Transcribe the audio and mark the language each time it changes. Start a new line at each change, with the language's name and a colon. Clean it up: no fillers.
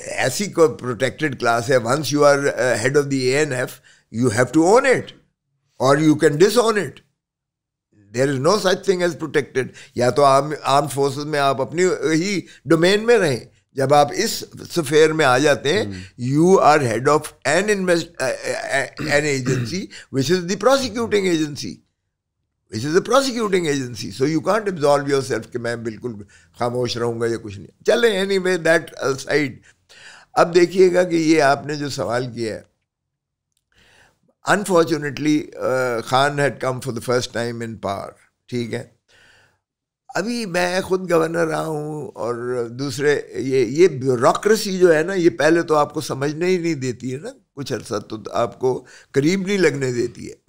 Hindi: ऐसी कोई protected class है?
English: Once you are head of the ANF you have to own it or you can disown it. There is no such thing as protected.
Hindi: या तो arm forces में आप अपनी ही डोमेन में रहें. जब आप इस सफेयर में आ जाते हैं,
English: You are head of an agency which is the prosecuting agency. This is a prosecuting agency, so you can't absolve yourself
Hindi: कि मैं बिल्कुल खामोश रहूँगा या कुछ नहीं. चले
English: anyway that aside.
Hindi: अब देखिएगा कि ये आपने जो सवाल किया है,
English: unfortunately Khan had come for the first time in power.
Hindi: ठीक है, अभी मैं खुद गवर्नर रहा हूँ और दूसरे ये ब्यूरोक्रेसी जो है ना, ये पहले तो आपको समझने ही नहीं देती है ना, कुछ अर्सा तो आपको करीब नहीं लगने देती है.